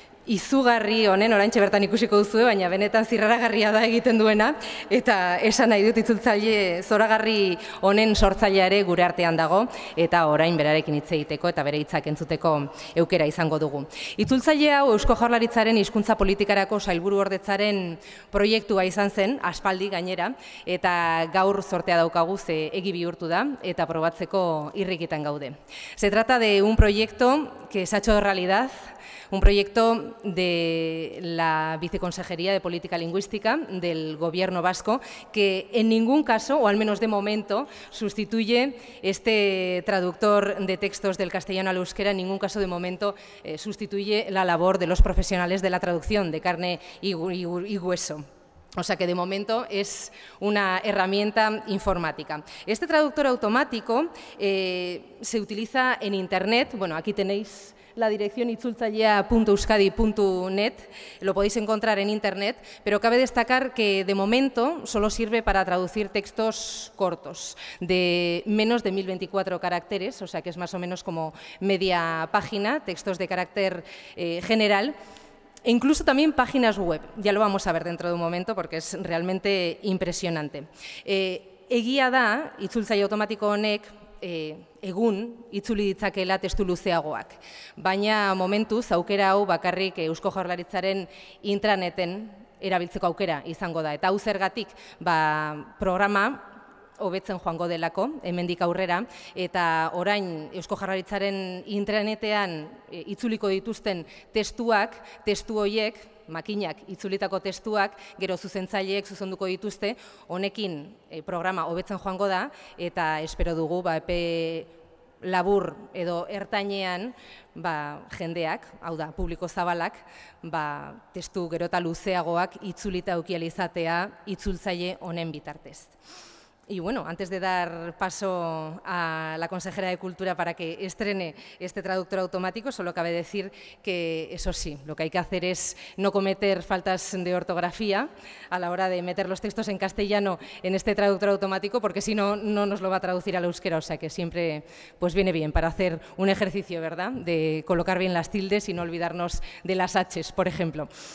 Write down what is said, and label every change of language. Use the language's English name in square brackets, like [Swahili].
[Basque] izugarri honen, oraintxe bertan ikusiko duzu, baina benetan zirraragarria da egiten duena, eta esan nahi dut itzultzaile zoragarri honen sortzailea ere gure artean dago, eta orain berarekin hitz egiteko eta bere hitzak entzuteko aukera izango dugu. Itzultzaile hau Eusko Jaurlaritzaren hizkuntza politikarako sailburu ordetzaren proiektua izan zen, aspaldi gainera, eta gaur zortea daukagu ze egi bihurtu da, eta probatzeko irrikitan gaude. [Spanish] Se trata de un proyecto que se ha hecho realidad, un proyecto de la Viceconsejería de Política Lingüística del Gobierno Vasco, que en ningún caso, o al menos de momento, sustituye este traductor de textos del castellano al euskera, en ningún caso de momento sustituye la labor de los profesionales de la traducción de carne y hueso. O sea que de momento es una herramienta informática. Este traductor automático se utiliza en Internet, bueno, aquí tenéis la dirección itzultzailea.euskadi.net, lo podéis encontrar en Internet, pero cabe destacar que de momento solo sirve para traducir textos cortos, de menos de 1024 caracteres, o sea que es más o menos como media página, textos de carácter general, e incluso también páginas web. Ya lo vamos a ver dentro de un momento porque es realmente impresionante. [Basque] Egia da, itzultzaile automatiko honek, egun itzuli ditzakela testu luzeagoak. Baina momentuz aukera hau bakarrik Eusko Jaurlaritzaren intraneten erabiltzeko aukera izango da. Eta hau zergatik, ba, programa hobetzen joango delako, hemendik aurrera, eta orain Eusko Jaurlaritzaren intranetean itzuliko dituzten testuak, testu hoiek, makinak itzulitako testuak, gero zuzentzaileek zuzenduko dituzte, honekin programa hobetzen joango da, eta espero dugu, ba, epe labur edo ertainean, ba, jendeak, hau da, publiko zabalak, ba, testu gero eta luzeagoak itzulita eukiel izatea itzultzaile honen bitartez. [Spanish] Y bueno, antes de dar paso a la consejera de Cultura para que estrene este traductor automático, solo cabe decir que eso sí, lo que hay que hacer es no cometer faltas de ortografía a la hora de meter los textos en castellano en este traductor automático, porque si no, no nos lo va a traducir al euskera, o sea que siempre pues viene bien para hacer un ejercicio, ¿verdad?, de colocar bien las tildes y no olvidarnos de las H's, por ejemplo.